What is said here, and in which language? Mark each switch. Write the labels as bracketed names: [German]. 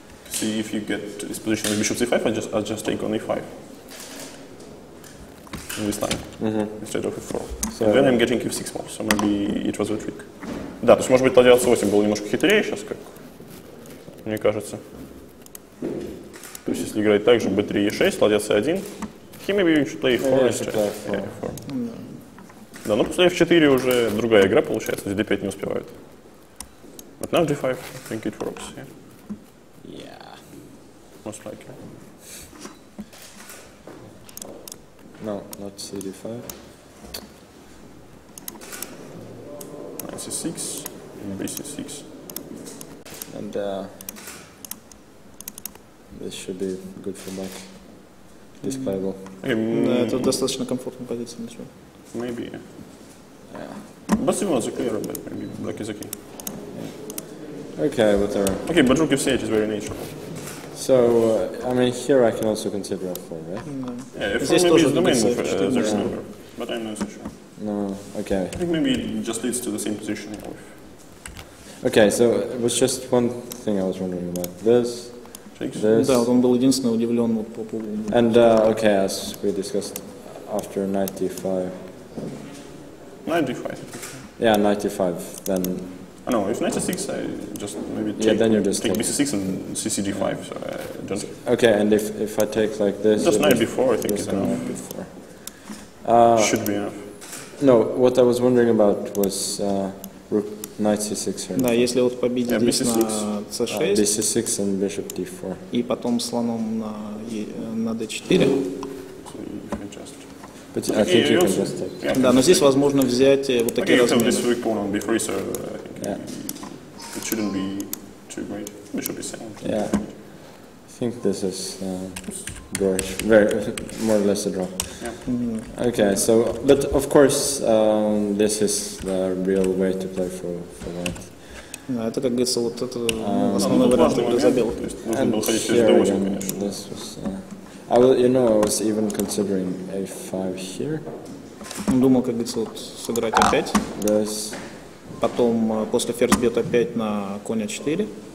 [English] See if you get to this position with bishop c5, I just take on e5. In this line, instead of f4. So, and then I'm getting q6 more, so maybe it was a trick. [Russian] Да, то есть, может быть, ладья c8 был немножко хитрее сейчас, как мне кажется. То есть, если играть так же, b3, e6, ладья c1, [English] he maybe should play f4 instead. [Russian] Да, ну после f4 уже другая игра получается, здесь d5 не успевают. [English] But now d5, I think it works, yeah? Yeah. Most likely. No, not cd5. Knight c6, bc6. And this should be good for black. This playable. [Russian] Это достаточно комфортная позиция, ничего. [English] Maybe, yeah. But still not so clear, but maybe black is okay. Yeah. Okay, whatever. Okay, but rook f8 is very natural. So, I mean, here I can also consider f4, right? Yeah, f4 maybe is the main move, there's no number. But I'm not so sure. No, okay. I think maybe it just leads to the same position. Okay, so it was just one thing I was wondering about. This. This. [Russian] Да, он был единственный удивлен по поводу. [English] And, okay, as we discussed, after knight d5. Knight d5. Yeah, knight d5, then... Oh, no, if knight c6, I just maybe take, yeah, then you just take bc6 and cc d5, yeah. So I don't... Okay, and if I take like this... Just knight b4, I think, is enough. Knight b4. Should be enough. No, what I was wondering about was rook knight c6 here. [Russian] Да, если вот победить здесь на c6... [English] bc6 and bishop d4. [Russian] И потом слоном на d4. [English] But I think you can just take. Yeah, [Russian] да, но здесь возможно взять вот такие размеры. [English] Okay, so this weak pawn on b3, so yeah. It shouldn't be too great. It should be same. Yeah. I think this is very more or less a draw. Yeah. Okay, so, but of course, this is the real way to play for white. [Russian] Да, это, как говорится, вот это основной вариант для забелых. [English] And here again, this was... I was even considering a5 here. [Russian] Думал, как говорится, вот, сыграть опять. [English] This. [Russian] Потом после ферзь бьет опять на конь a4.